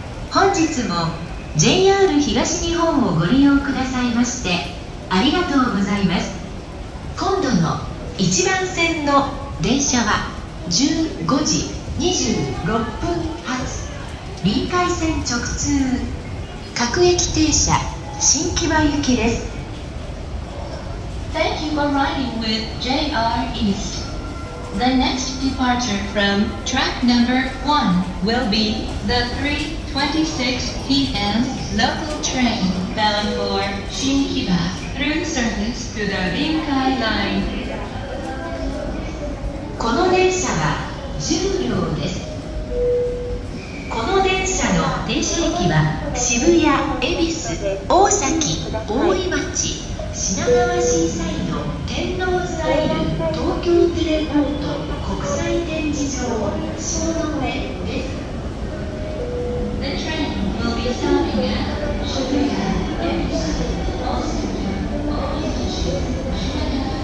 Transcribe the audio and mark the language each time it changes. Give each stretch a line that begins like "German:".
Japanese: 本日も JR 東日本をご利用くださいましてありがとうございます。今度の一番線の電車は15時26分発臨海線直通各駅停車新木場行きです。
English: Thank you for riding with JR East. The next departure from track number 1 will be the 3:26 p.m. local train bound for Shinkiba through service to the Rinkai Line.
Japanese: この電車は10両です。この電車の停車駅は渋谷、恵比寿、大崎、大井町、品川シーサイド、天王洲アイル、東京テレポート、国際展示場、下野上です。
English: The train will be stopping at 渋谷、恵比寿、大崎、大井町、